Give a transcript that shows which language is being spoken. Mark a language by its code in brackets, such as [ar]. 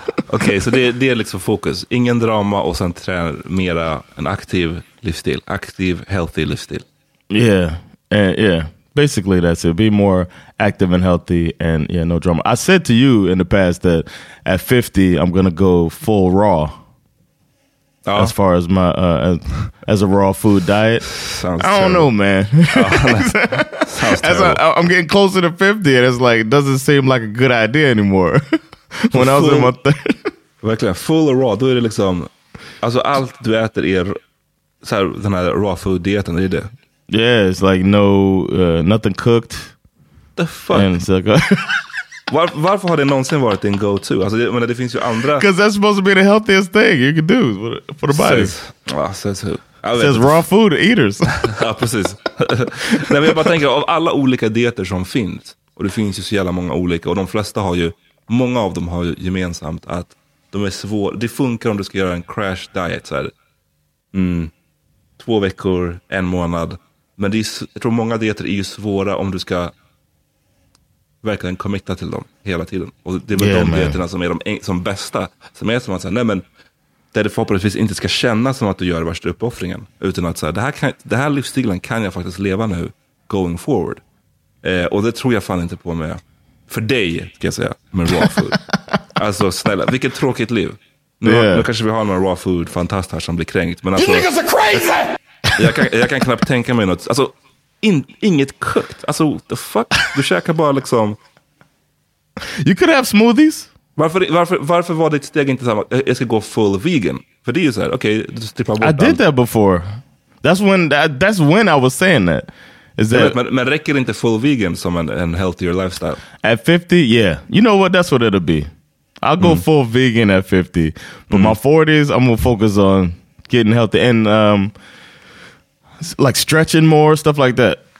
[sv] Okej, okay, så det är liksom fokus. Ingen drama och sen träna mera en aktiv livsstil. Aktiv, healthy livsstil. [en] Yeah, basically that's it. Be more active and healthy and yeah, no drama. I said to you in the past that at 50 I'm gonna go full raw. As far as my, as a raw food diet. Sounds I don't Know, man. Sounds terrible. I'm getting closer to 50 and it's like, doesn't seem like a good idea anymore. When full, I was in my [sv] verkligen, full och raw, då är det liksom alltså allt du äter är så här, den här raw food-dieten, är det? [en] Yeah, it's like no nothing cooked. The fuck? And it's like, [sv] varför har det någonsin varit din go-to? Alltså, det, men det finns ju andra. [en] Because that's supposed to be the healthiest thing you can do for the body. Says who? It says raw food eaters. [sv] Ja, precis. Nej, men jag bara tänker, av alla olika dieter som finns, och det finns ju så jävla många olika, och de flesta har ju många av dem har ju gemensamt att de är svåra. Det funkar om du ska göra en crash diet så här. 2 veckor, 1 månad. Men det är, jag tror många dieter är ju svåra om du ska verkligen committa till dem hela tiden. Och det är väl de dieterna som är som bästa. Som är som att säga, nej men där det förhoppningsvis inte ska kännas som att du gör värsta uppoffringen. Utan att säga, det här livsstilen kan jag faktiskt leva nu [en] going forward. [sv] Och det tror jag fan inte på med för dig, ska jag säga, med raw food. Alltså snälla, vilket tråkigt liv. Nu, nu kanske vi har några raw food fantast här som blir kränkt, men alltså, [en] you niggas are crazy! [sv] Jag kan knappt tänka mig något. Alltså inget kökt. Alltså [en] what the fuck? [sv] Du käkar bara liksom, [en] you could have smoothies. [sv] Varför var det ett steg inte samma? Jag ska gå full vegan. För det är ju så här, okej, du strippar bort. [en] I did that before. That's when I was saying that. [sv] Men räcker inte full vegan som en [en] healthier lifestyle? At 50, yeah. You know what? That's what it'll be. I'll go full vegan at 50. But my 40s, I'm gonna focus on getting healthy and like stretching more, stuff like that.